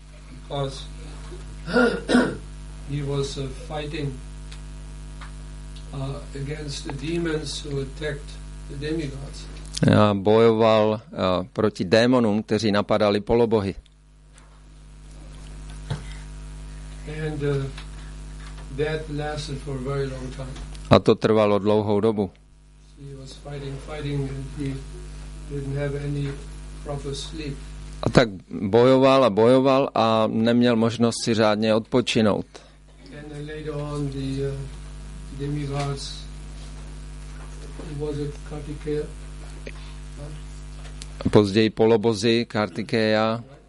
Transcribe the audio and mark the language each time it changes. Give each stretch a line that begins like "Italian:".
English: Because he was fighting against the demons who attacked the demigods.
Czech: Já bojoval proti démonům, kteří napadali polobohy.
English: And that lasted for a very long time.
Czech: A to trvalo dlouhou dobu.
English: He was fighting and he didn't have any proper sleep.
Czech: A tak bojoval a neměl možnost si řádně odpočinout.
English: And then later on the demigods was it Kartikeya?
Czech: A později polobozy Kartikeya.